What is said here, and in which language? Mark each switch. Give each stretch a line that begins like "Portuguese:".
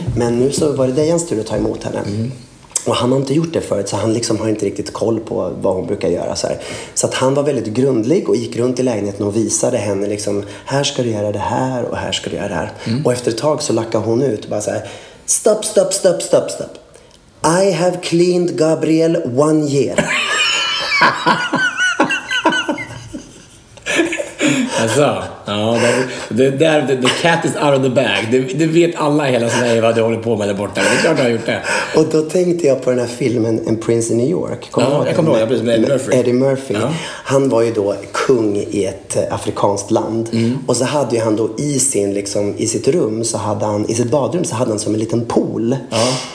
Swedish: Men nu så var det Dejans tur att ta emot henne. Mm. Och han har inte gjort det förut, så han liksom har inte riktigt koll på vad hon brukar göra. Så, här. Så att han var väldigt grundlig och gick runt i lägenheten och visade henne liksom, här ska du göra det här och här ska du göra det här. Mm. Och efter ett tag så lackade hon ut och bara så här, stopp, stopp, stopp, stopp, stopp.
English: I have cleaned Gabriel 1 year. Alltså, ja, the cat is out of the bag.
Swedish: Det vet alla i hela Sverige vad du håller på med där borta. Det är klart du har gjort det. Och då tänkte jag på den här filmen En prince in New York. Eddie Murphy. Ja. Han var ju då kung i ett afrikanskt land. Mm. Och så hade ju han då i sin, liksom, i sitt rum, så hade han, i sitt badrum så hade han som en liten pool. Ja.